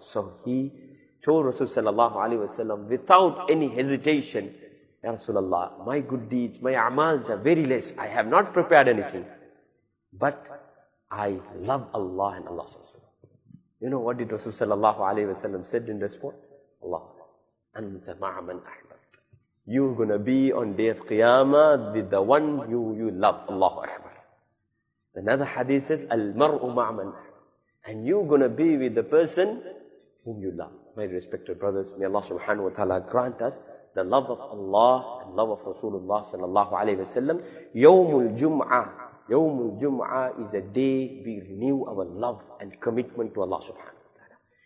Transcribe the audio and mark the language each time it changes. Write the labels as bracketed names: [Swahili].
[English] So he told Rasul sallallahu alayhi wa sallam without any hesitation, Ya Rasulullah, my good deeds, my a'mals are very less. I have not prepared anything. But I love Allah and Allah's Rasul. You know what did Rasul sallallahu alayhi wa sallam said in response? [Arabic] Allah, أنت مع من أحببت. [English] You're going to be on day of Qiyamah with the one you love, Allahu Akbar. Another hadith says, [Arabic] المرء مع من أحببت. [English] And you're going to be with the person whom you love. My respected brothers, may Allah subhanahu wa ta'ala grant us the love of Allah and love of Rasulullah sallallahu alayhi wa sallam. يوم الجمعة. Yawm al-Jum'ah is a day we renew our love and commitment to Allah subhanahu wa ta'ala.